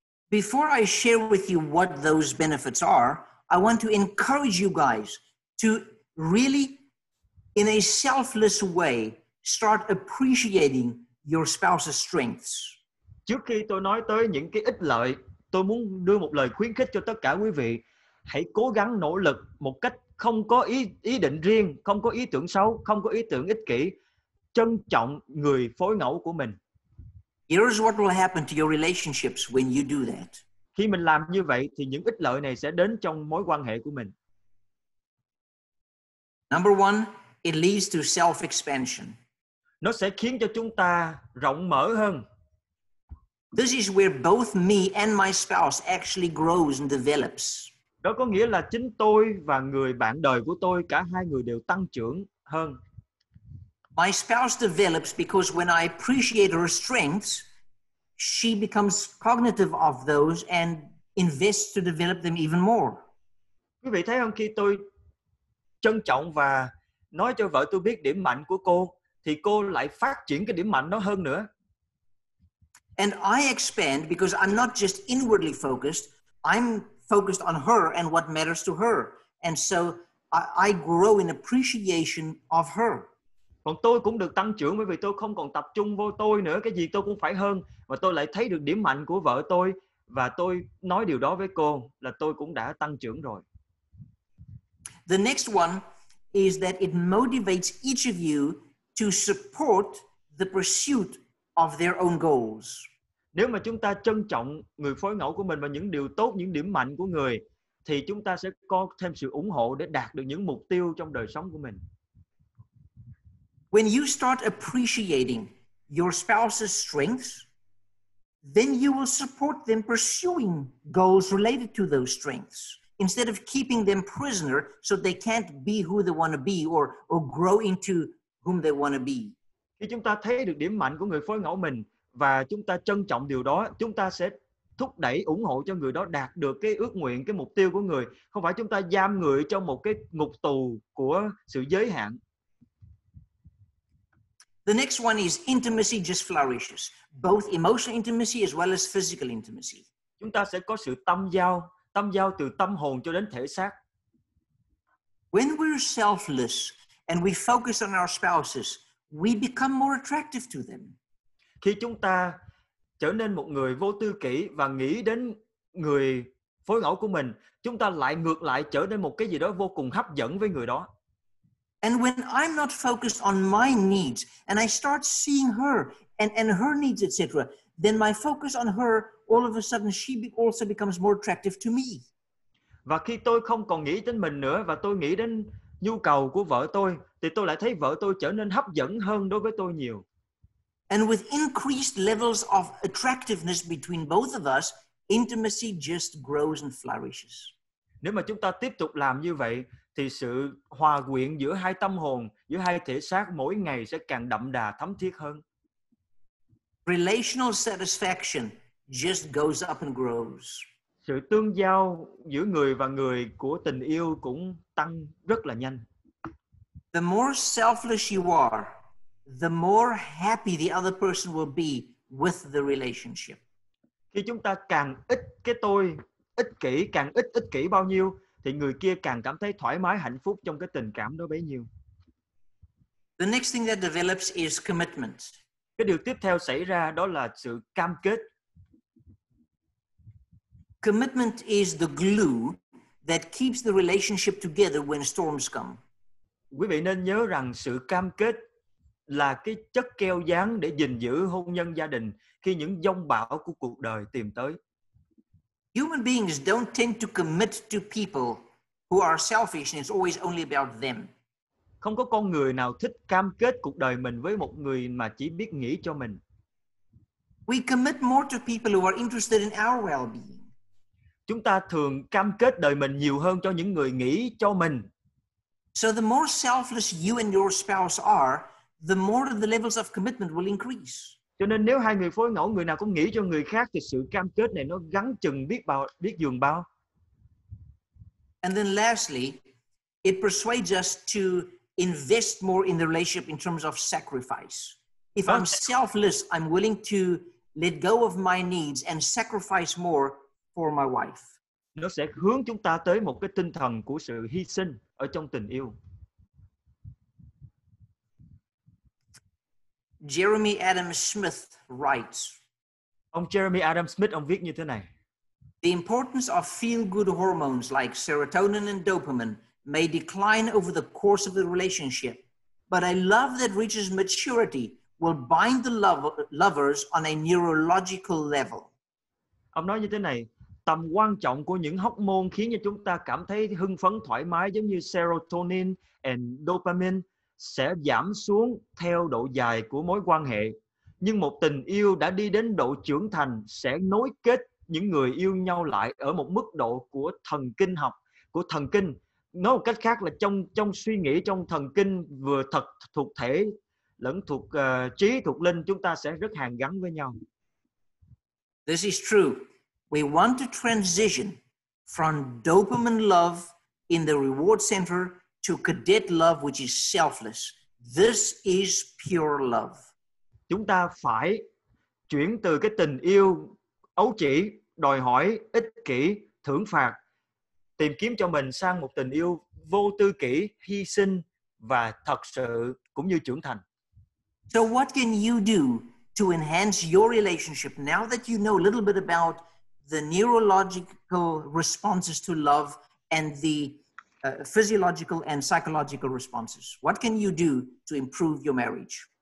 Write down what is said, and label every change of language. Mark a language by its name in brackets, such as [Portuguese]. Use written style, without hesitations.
[English] Before I share with you what those benefits are, I want to encourage you guys to really, in a selfless way, start appreciating your spouse's strengths. [Vietnamese] Trước khi tôi nói tới những cái ích lợi, tôi muốn đưa một lời khuyến khích cho tất cả quý vị. Hãy cố gắng nỗ lực một cách không có ý định riêng, không có ý tưởng xấu, không có ý tưởng ích kỷ, trân trọng người phối ngẫu của mình. [English] Here's what will happen to your relationships when you do that. [Vietnamese] Khi mình làm như vậy thì những ích lợi này sẽ đến trong mối quan hệ của mình. [English] Number one, it leads to self-expansion. [Vietnamese] Nó sẽ khiến cho chúng ta rộng mở hơn. [English] This is where both me and my spouse actually grows and develops. [Vietnamese] Đó có nghĩa là chính tôi và người bạn đời của tôi, cả hai người đều tăng trưởng hơn. [English] My spouse develops because when I appreciate her strengths, she becomes cognitive of those and invests to develop them even more. [Vietnamese] Quý vị thấy không, khi tôi trân trọng và nói cho vợ tôi biết điểm mạnh của cô, thì cô lại phát triển cái điểm mạnh đó hơn nữa. [English] And I expand because I'm not just inwardly focused, I'm focused on her and what matters to her. And so I grow in appreciation of her. [Vietnamese] Còn tôi cũng được tăng trưởng bởi vì tôi không còn tập trung vô tôi nữa, cái gì tôi cũng phải hơn. Và tôi lại thấy được điểm mạnh của vợ tôi và tôi nói điều đó với cô là tôi cũng đã tăng trưởng rồi. [English] The next one is that it motivates each of you to support the pursuit of their own goals. [Vietnamese] Nếu mà chúng ta trân trọng người phối ngẫu của mình và những điều tốt, những điểm mạnh của người, thì chúng ta sẽ có thêm sự ủng hộ để đạt được những mục tiêu trong đời sống của mình. [English] When you start appreciating your spouse's strengths, then you will support them pursuing goals related to those strengths, instead of keeping them prisoner so they can't be who they want to be or grow into whom they want to be. [Vietnamese] Khi chúng ta thấy được điểm mạnh của người phối ngẫu mình và chúng ta trân trọng điều đó, chúng ta sẽ thúc đẩy ủng hộ cho người đó đạt được cái ước nguyện, cái mục tiêu của người, không phải chúng ta giam người trong một cái ngục tù của sự giới hạn. [English] The next one is intimacy just flourishes, both emotional intimacy as well as physical intimacy. [Vietnamese] Chúng ta sẽ có sự tâm giao từ tâm hồn cho đến thể xác. [English] When we're selfless and we focus on our spouses, we become more attractive to them. [Vietnamese] Khi chúng ta trở nên một người vô tư kỷ và nghĩ đến người phối ngẫu của mình, chúng ta lại ngược lại trở nên một cái gì đó vô cùng hấp dẫn với người đó. [English] And when I'm not focused on my needs and I start seeing her and her needs, etc., then my focus on her, all of a sudden she also becomes more attractive to me. [Vietnamese] Và khi tôi không còn nghĩ đến mình nữa và tôi nghĩ đến nhu cầu của vợ tôi, thì tôi lại thấy vợ tôi trở nên hấp dẫn hơn đối với tôi nhiều. [English] And with increased levels of attractiveness between both of us, intimacy just grows and flourishes. [Vietnamese] Nếu mà chúng ta tiếp tục làm như vậy, thì sự hòa quyện giữa hai tâm hồn, giữa hai thể xác mỗi ngày sẽ càng đậm đà, thấm thiết hơn. [English] Relational satisfaction just goes up and grows. [Vietnamese] Sự tương giao giữa người và người của tình yêu cũng tăng rất là nhanh. [English] The more selfless you are, the more happy the other person will be with the relationship. [Vietnamese] Khi chúng ta càng ít cái tôi, ích kỷ, càng ít ích kỷ bao nhiêu, thì người kia càng cảm thấy thoải mái, hạnh phúc trong cái tình cảm đó bấy nhiêu. [English] The next thing that develops is commitment. [Vietnamese] Cái điều tiếp theo xảy ra đó là sự cam kết. [English] Commitment is the glue that keeps the relationship together when storms come. [Vietnamese] Quý vị nên nhớ rằng sự cam kết là cái chất keo dán để gìn giữ hôn nhân gia đình khi những dông bão của cuộc đời tìm tới. [English] Human beings don't tend to commit to people who are selfish and it's always only about them. [Vietnamese] Không có con người nào thích cam kết cuộc đời mình với một người mà chỉ biết nghĩ cho mình. [English] We commit more to people who are interested in our well-being. [Vietnamese] Chúng ta thường cam kết đời mình nhiều hơn cho những người nghĩ cho mình. [English] So the more selfless you and your spouse are, the more the levels of commitment will increase. [Vietnamese] Cho nên nếu hai người phối ngẫu, người nào cũng nghĩ cho người khác, thì sự cam kết này nó gắn chừng biết dường bao. [English] And then lastly, it persuades us to invest more in the relationship in terms of sacrifice. If I'm selfless, I'm willing to let go of my needs and sacrifice more for my wife. [Vietnamese] Nó sẽ hướng chúng ta tới một cái tinh thần của sự hy sinh ở trong tình yêu. [English] Jeremy Adam Smith writes. [Vietnamese] Ông Jeremy Adam Smith, ông viết như thế này. [English] The importance of feel-good hormones like serotonin and dopamine may decline over the course of the relationship, but a love that reaches maturity will bind the lovers on a neurological level. [Vietnamese] Ông nói như thế này, tầm quan trọng của những hormone khiến cho chúng ta cảm thấy hưng phấn thoải mái giống như [English] serotonin and dopamine [Vietnamese] sẽ giảm xuống theo độ dài của mối quan hệ. Nhưng một tình yêu đã đi đến độ trưởng thành sẽ nối kết những người yêu nhau lại ở một mức độ của thần kinh học, của thần kinh. Nói một cách khác là trong suy nghĩ, trong thần kinh vừa thật thuộc thể lẫn thuộc trí, thuộc linh, chúng ta sẽ rất hàn gắn với nhau. [English] This is true. We want to transition from dopamine love in the reward center to cadet love, which is selfless. This is pure love. [Vietnamese] Chúng ta phải chuyển từ cái tình yêu ấu chỉ, đòi hỏi, ích kỷ, thưởng phạt, tìm kiếm cho mình sang một tình yêu vô tư kỷ, hy sinh và thật sự cũng như trưởng thành. [English] So what can you do to enhance your relationship now that you know a little bit about the neurological responses to love and the physiological and psychological responses? What can you do to improve your marriage?